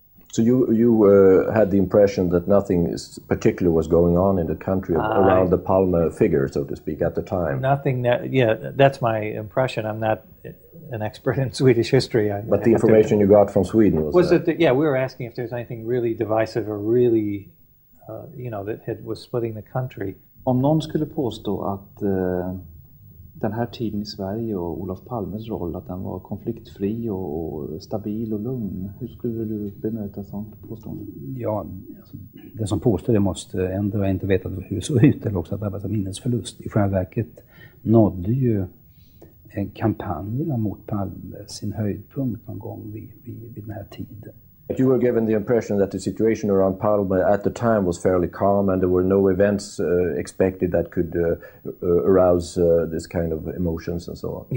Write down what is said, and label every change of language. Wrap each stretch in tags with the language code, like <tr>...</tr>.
<en>So you had the impression that nothing particular was going on in the country around the Palme figure, so to speak, at the time. Nothing. That's my impression. I'm not an expert in Swedish history. But the information you got from Sweden was that. We were asking if there's anything really divisive or really, that was splitting the country.</en> <sv>Om någon skulle påstå att den här tiden i Sverige och Olof Palmes roll, att den var konfliktfri och stabil och lugn, hur skulle du bemöta sånt påstående? Ja, den som påstår det måste ändå inte veta hur det såg ut, eller också att det var en minnesförlust. I själva verket nådde ju kampanjerna mot Palme sin höjdpunkt någon gång vid den här tiden.</sv> <en>But you were given the impression that the situation around Palme at the time was fairly calm and there were no events expected that could arouse this kind of emotions and so on.</en>